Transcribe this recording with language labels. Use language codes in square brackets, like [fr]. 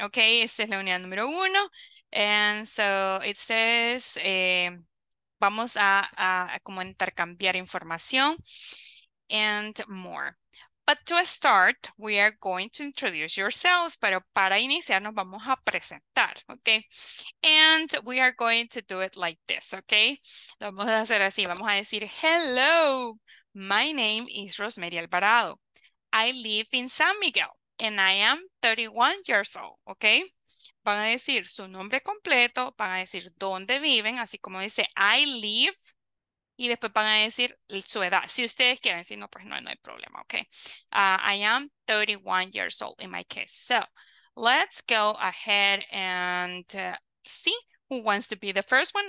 [es] Okay, esta es la unidad número uno. [en] And so it says, [es] vamos a como intercambiar información [en] and more. But to start, we are going to introduce yourselves, [es] pero para iniciar nos vamos a presentar, [en] okay? And we are going to do it like this, okay? [es] Lo vamos a hacer así, vamos a decir, hello. [en] My name is Rosemary Alvarado. I live in San Miguel and I am 31 years old. ¿Ok? [es] Van a decir su nombre completo, van a decir dónde viven, así como dice I live, y después van a decir su edad. Si ustedes quieren, si no, pues no, no hay problema. [en] ¿Ok? I am 31 years old in my case. So, let's go ahead and see who wants to be the first one.